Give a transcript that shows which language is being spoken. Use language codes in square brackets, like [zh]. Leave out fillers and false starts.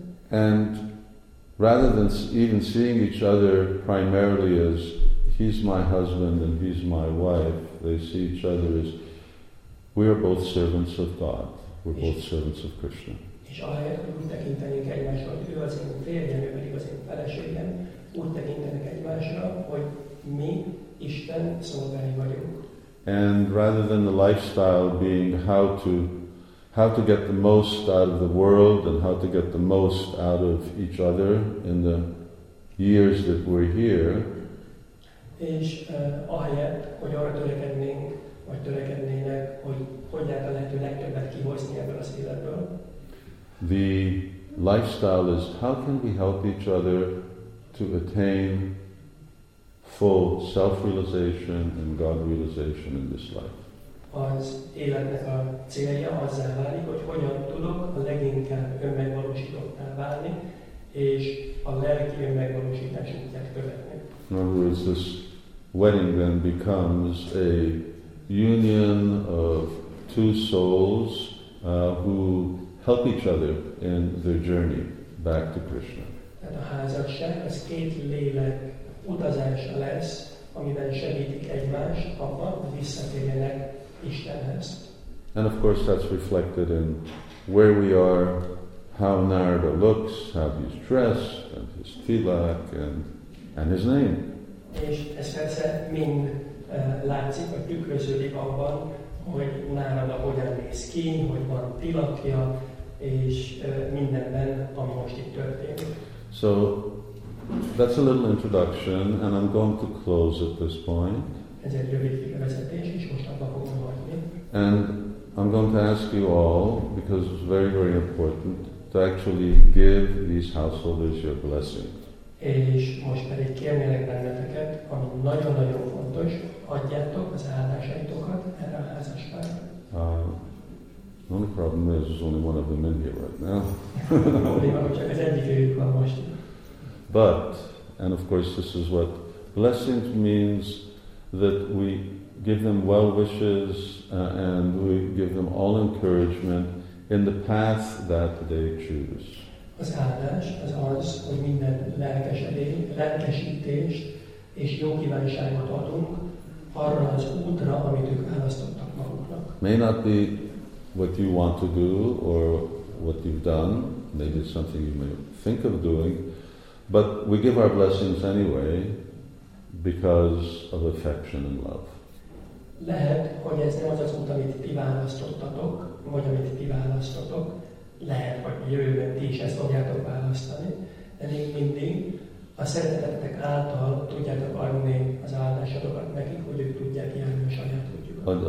[en] And rather than even seeing each other primarily as he's my husband and he's my wife, they see each other as we are both servants of God, we're both servants of Krishna. [hu] És ahelyett, hogy úgy tekintenék egymásra, hogy ő az én férjem, ő pedig az én feleségem, úgy tekintenek egymásra, hogy mi Isten szolgái vagyunk. [en] And rather than the lifestyle being how to get the most out of the world and how to get the most out of each other in the years that we're here. [hu] És ahelyett, hogy arra törekednénk, vagy törekednének, hogy hogyan a lehető legtöbbet kihozni ebből az életből. [en] The lifestyle is how can we help each other to attain full self-realization and God-realization in this life. [hu] Az életnek a célja azzá válik, hogy hogyan tudok a leginkább önmegvalósítottá válni, és a lelki önmegvalósítás útját követni. [en] In other words, this wedding then becomes a union of two souls who help each other in their journey back to Krishna. [hu] Tehát a házasság az két lélek utazása lesz, amiben segítik egymást abban, hogy visszatérjenek Istenhez. [en] And of course that's reflected in where we are, how Narada looks, how he's dressed, and his tilak, and his name. [hu] És ez persze mind látszik, vagy tükröződik abban, hogy Narada hogyan néz ki, hogy van tilakja, és mindenben, ami most itt történik. [en] So, that's a little introduction, and I'm going to close at this point. [hu] Ez egy rövid vezetés, és most abba fogom hagyni. [en] And I'm going to ask you all, because it's very, very important, to actually give these householders your blessing. [hu] És most pedig kérnélek benneteket, ami nagyon-nagyon fontos, adjátok az áldásaitokat erre a házaspárra. [en] The only problem is there's only one of them in here right now. But, and of course this is what blessings means, that we give them well wishes and we give them all encouragement in the path that they choose. [hu] Az áldás az az, hogy minden lelkesítés és jó kívánságot adunk arra az útra, amit ők választottak maguknak. [en] May not be what you want to do or what you've done, maybe it's something you may think of doing, but we give our blessings anyway because of affection and love. [hu] Lehet, hogy ez nem az az út, amit ti választottatok, vagy amit ti választotok, lehet, hogy a jövőben ti is ezt fogjátok választani, de még mindig a szeretetek által tudjátok adni az áldásatokat nekik, hogy ők tudják járni a saját útjukat.